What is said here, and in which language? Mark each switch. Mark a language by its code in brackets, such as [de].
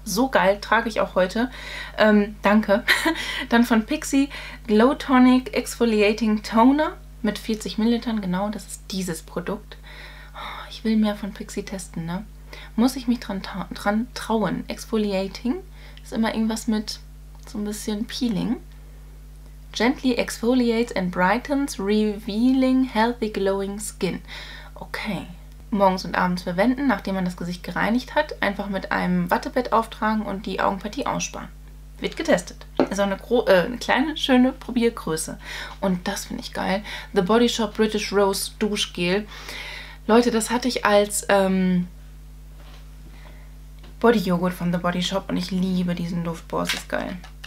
[de] So geil, trage ich auch heute. Danke. Dann von Pixi, Glow Tonic Exfoliating Toner mit 40 ml. Genau, das ist dieses Produkt. Ich will mehr von Pixi testen, ne? Muss ich mich dran trauen? Exfoliating ist immer irgendwas mit so ein bisschen Peeling. [en] Gently exfoliates and brightens, revealing healthy glowing skin. [de] Okay. Morgens und abends verwenden, nachdem man das Gesicht gereinigt hat, einfach mit einem Wattepad auftragen und die Augenpartie aussparen. Wird getestet. Also eine kleine, schöne Probiergröße. Und das finde ich geil. The Body Shop British Rose Duschgel. Leute, das hatte ich als Bodyjoghurt von The Body Shop und ich liebe diesen Duft. Boah, ist das geil.